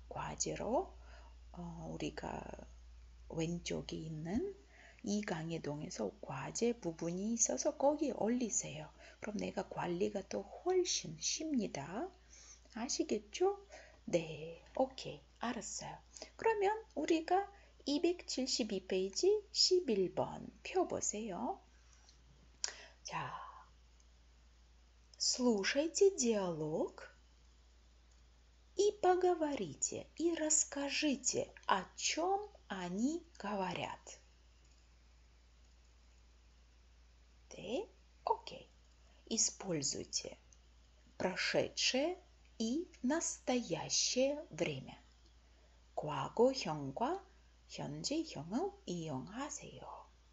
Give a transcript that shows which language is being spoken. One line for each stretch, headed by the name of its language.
Korean: 과제로 우리가 왼쪽에 있는 이 강의 동에서 과제 부분이 있어서 거기 올리세요. 그럼 내가 관리가 더 훨씬 쉽니다. 아시겠죠? 네, 오케이, 알았어요. 그러면 우리가 272페이지 11번 펴 보세요. 자,
Russian: слушайте диалог и поговорите, и расскажите, о чем они говорят.
Korean: 네, 오케이.
Russian: Используйте прошедшее и настоящее время.
Korean: 과거형과 현재형을 이용하세요.